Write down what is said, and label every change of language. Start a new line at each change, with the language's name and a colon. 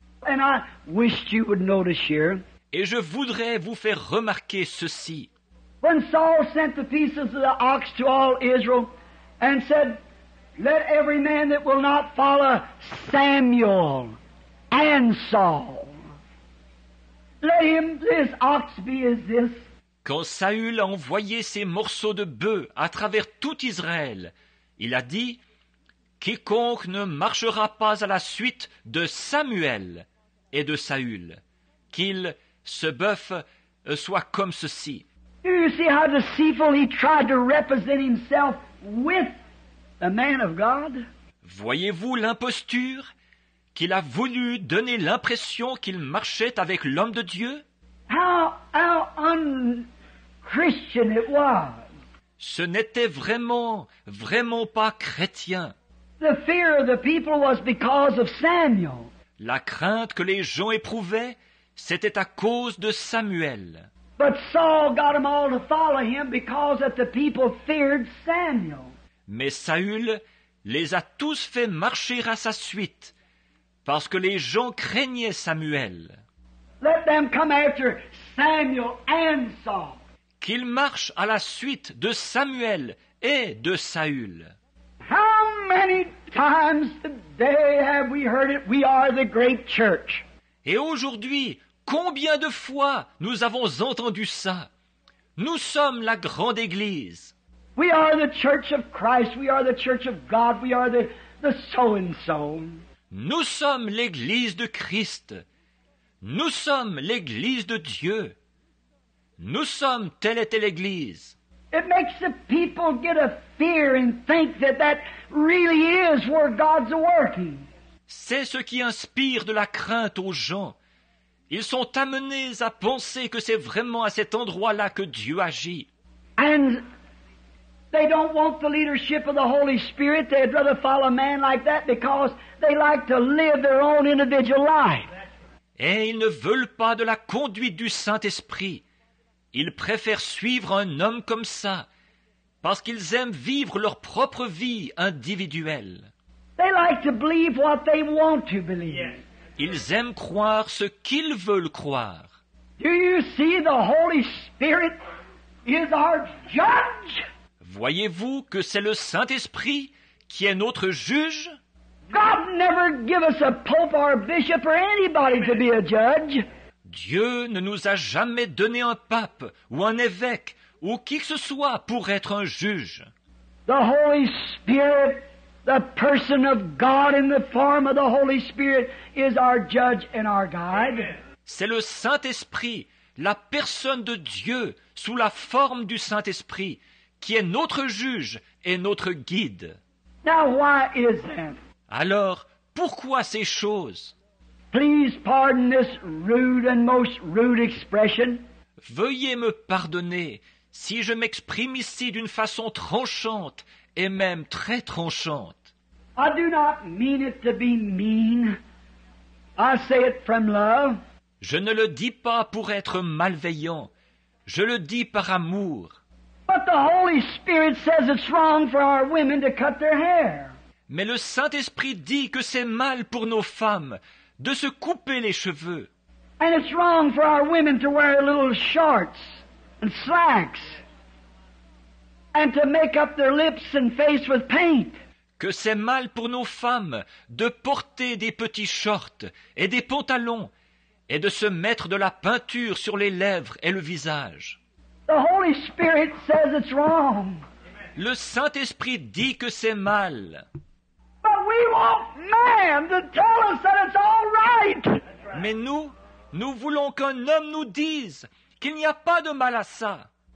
English: And I wish you would notice here.
French: Et je voudrais vous faire remarquer ceci.
English: When Saul sent the pieces of the ox to all Israel and said, let every man that will not follow Samuel and Saul, let him this ox be as this.
French: Quand Saül a envoyé ses morceaux de bœuf à travers tout Israël, il a dit, quiconque ne marchera pas à la suite de Samuel et de Saül, qu'il, ce bœuf, soit comme ceci.
English: You see how deceitful he tried to represent himself with a man of God?
French: Voyez-vous l'imposture qu'il a voulu donner l'impression qu'il marchait avec l'homme de Dieu?
English: How un-Christian it was.
French: Ce n'était vraiment pas chrétien.
English: The fear of the people was because of Samuel.
French: La crainte que les gens éprouvaient, c'était à cause de Samuel.
English: But Saul got them all to follow him because that the people feared Samuel.
French: Mais Saül les a tous fait marcher à sa suite, parce que les gens craignaient Samuel.
English: Let them come after Samuel and Saul.
French: Qu'ils marchent à la suite de Samuel et de Saül.
English: How many times today have we heard it? We are the great church.
French: Et aujourd'hui, combien de fois nous avons entendu ça? Nous sommes la grande église.
English: We are the church of Christ, we are the church of God, we are the so-and-so.
French: Nous sommes l'église de Christ. Nous sommes l'église de Dieu. Nous sommes telle et telle église.
English: It makes the people get a fear and think that that really is where God's working.
French: C'est ce qui inspire de la crainte aux gens. Ils sont amenés à penser que c'est vraiment à cet endroit-là que Dieu agit.
English: And they don't want the leadership of the Holy Spirit. They'd rather follow a man like that because they like to live their own individual life.
French: Et ils ne veulent pas de la conduite du Saint-Esprit. Ils préfèrent suivre un homme comme ça parce qu'ils aiment vivre leur propre vie individuelle.
English: They like to believe what they want to believe.
French: Ils aiment croire ce qu'ils veulent croire.
English: Do you see the Holy Spirit is our judge?
French: Voyez-vous que c'est le Saint-Esprit qui est notre juge?
English: God never gave us a pope or a bishop or anybody to be a judge.
French: Dieu ne nous a jamais donné un pape ou un évêque ou qui que ce soit pour être un juge.
English: The Holy Spirit, the person of God in the form of the Holy Spirit, is our judge and our guide.
French: C'est le Saint-Esprit, la personne de Dieu sous la forme du Saint-Esprit, qui est notre juge et notre guide.
English: Now, why is that?
French: Alors, pourquoi ces choses?
English: Please pardon this rude and most rude expression.
French: Veuillez me pardonner si je m'exprime ici d'une façon tranchante et même très tranchante.
English: I do not mean it to be mean. I say it from love.
French: Je ne le dis pas pour être malveillant. Je le dis par amour.
English: But the Holy Spirit says it's wrong for our women to cut their hair.
French: Mais le Saint-Esprit dit que c'est mal pour nos femmes de se couper les cheveux.
English: And it's wrong for our women to wear little shorts and slacks and to make up their lips and face with paint.
French: Que c'est mal pour nos femmes de porter des petits shorts et des pantalons et de se mettre de la peinture sur les lèvres et le visage.
English: The Holy Spirit says it's wrong.
French: Le Saint-Esprit dit que c'est mal.
English: But we want man to tell us that it's all right.
French: Mais nous voulons qu'un homme nous dise qu'il n'y a pas de mal à ça.